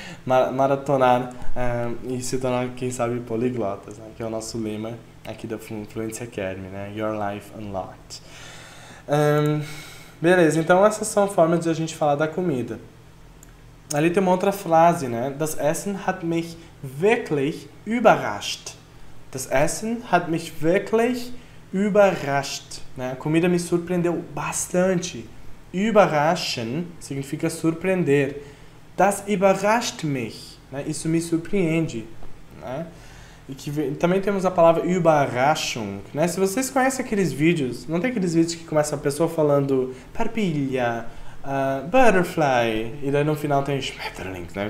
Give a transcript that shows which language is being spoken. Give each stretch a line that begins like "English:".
Portuguese: Maratonar, e se tornar, quem sabe, poliglotas, né? Que é o nosso lema aqui da Fluency Academy, né? Your Life Unlocked. Beleza, então essas são formas de a gente falar da comida. Ali tem uma outra frase, né?
German: Das Essen hat mich wirklich überrascht. Das Essen hat mich wirklich überrascht.
Portuguese: Né? A comida me surpreendeu bastante. Überraschen significa surpreender. Das überrascht mich. Né? Isso me surpreende. Né? E que vem, também temos a palavra Überraschung. Né? Se vocês conhecem aqueles vídeos, não tem aqueles vídeos que começa a pessoa falando Parpilha, Butterfly, e daí no final tem Schmetterling, né?